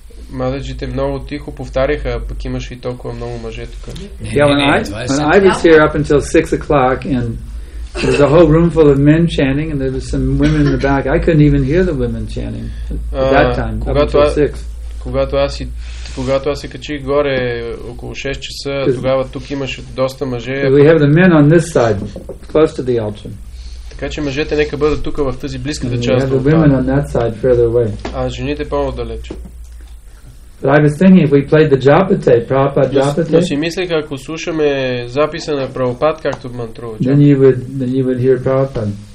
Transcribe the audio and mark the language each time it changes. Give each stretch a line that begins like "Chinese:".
Bulgarian: Мададжите много тихо повтаряха, пък имаше и толкова много мъже тук.
English: When I was here up until 6 o'clock and there was a whole room full of men chanting and there was some women in the back. I couldn't even hear the women chanting at that time,
Bulgarian: когато,
English: up until 6.
Bulgarian: Когато аз се качих горе около 6 часа, тогава тук имаше доста мъже.
English: We have the men on this side, close to the altar.
Bulgarian: Така че мъжете нека бъдат тук в тази близката част.
English: We have the women on that side, further away.
Bulgarian: А жените по-далеч.
English: But I was thinking if we played the Japate, Prabhupada Japate.
Bulgarian: Но си мислих, ако слушаме записа на Прабхупад, както мантрува.
English: Then you would hear Prabhupada.